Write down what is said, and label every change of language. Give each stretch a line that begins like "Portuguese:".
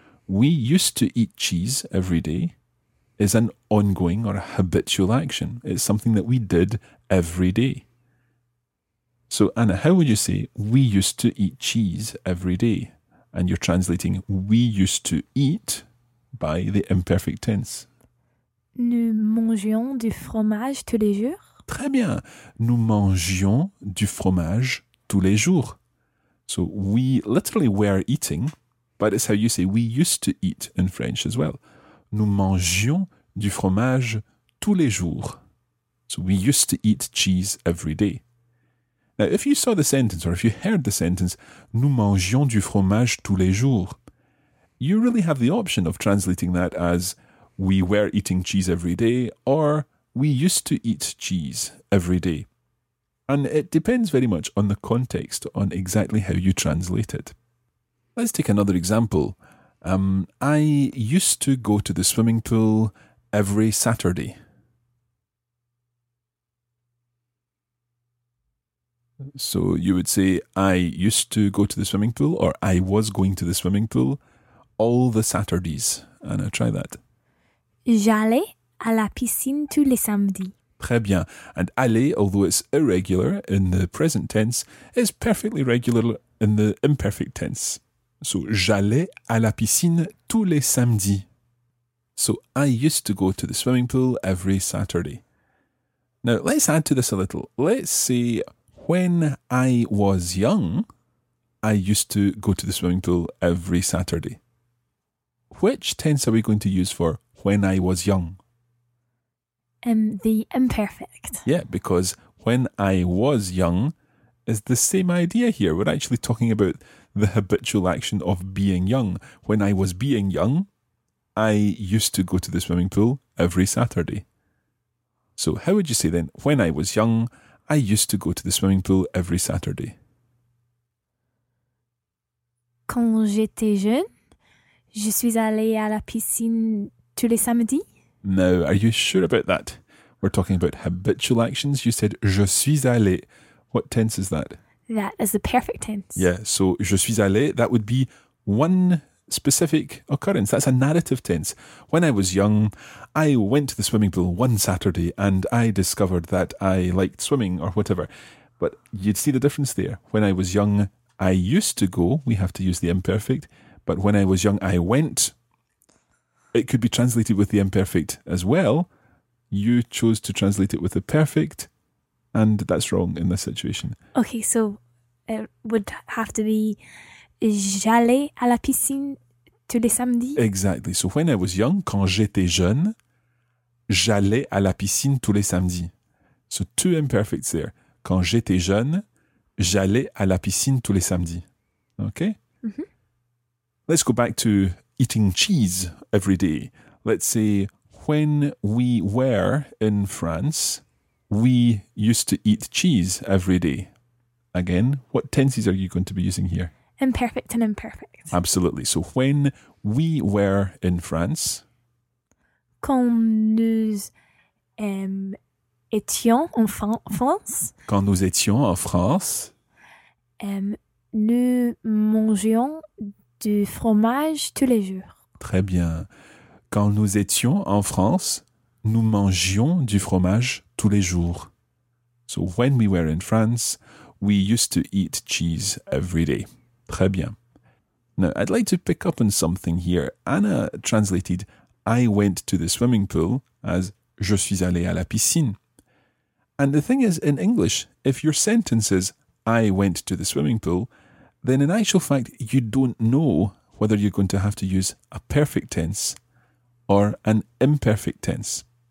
English: We used to eat cheese every day is an ongoing or a habitual action. It's something that we did every day. So, Anna, how would you say we used to eat cheese every day? And you're translating we used to eat by the imperfect tense.
French: Nous mangeons du fromage tous les jours. Très bien. Nous mangeons du fromage tous les jours.
English: So, we literally were eating, but it's how you say we used to eat in French as well.
French: Nous mangeons du fromage tous les jours.
English: So, we used to eat cheese every day. Now, if you saw the sentence, or if you heard the sentence,
French: nous mangeons du fromage tous les jours,
English: you really have the option of translating that as we were eating cheese every day, or we used to eat cheese every day. And it depends very much on the context, on exactly how you translate it. Let's take another example. I used to go to the swimming pool every Saturday. So you would say, I used to go to the swimming pool, or I was going to the swimming pool all the Saturdays. Anna, try that.
French: J'allais à la piscine tous les samedis. Très bien.
English: And aller, although it's irregular in the present tense, is perfectly regular in the imperfect tense.
French: So j'allais à la piscine tous les samedis.
English: So I used to go to the swimming pool every Saturday. Now let's add to this a little. Let's say, when I was young, I used to go to the swimming pool every Saturday. Which tense are we going to use for when I was young? The imperfect. Yeah, because when I was young is the same idea here. We're actually talking about the habitual action of being young. When I was being young, I used to go to the swimming pool every Saturday. So how would you say then, when I was young, I used to go to the swimming pool every Saturday.
French: Quand j'étais jeune, je suis allé à la piscine tous les samedis.
English: Now, are you sure about that? We're talking about habitual actions. You said,
French: je suis allé.
English: What tense is that? That is the perfect tense. Yeah, so
French: je suis allé,
English: that would be one specific occurrence. That's a narrative tense. When I was young, I went to the swimming pool one Saturday and I discovered that I liked swimming or whatever. But you'd see the difference there. When I was young, I used to go. We have to use the imperfect. But when I was young, I went. It could be translated with the imperfect as well. You chose to translate it with the perfect. And that's wrong in this situation. Okay, so it would have to be
French: j'allais à la piscine tous les samedis.
English: Exactly. So when I was young,
French: quand j'étais jeune, j'allais à la piscine tous les samedis.
English: So two imperfects there.
French: Quand j'étais jeune, j'allais à la piscine tous les samedis.
English: Okay? Mm-hmm. Let's go back to eating cheese every day. Let's say when we were in France, we used to eat cheese every day. Again, what tenses are you going to be using here? Imperfect and imperfect. Absolutely. So when we were in France.
French: Quand nous étions en France. Quand nous étions en France. Nous mangeons du fromage tous les jours. Très bien. Quand nous étions en France, nous mangions du fromage tous les jours.
English: So when we were in France, we used to eat cheese every day.
French: Très bien.
English: Now, I'd like to pick up on something here. Anna translated, I went to the swimming pool as
French: je suis allé à la piscine.
English: And the thing is, in English, if your sentence is I went to the swimming pool, then in actual fact, you don't know whether you're going to have to use a perfect tense or an imperfect tense.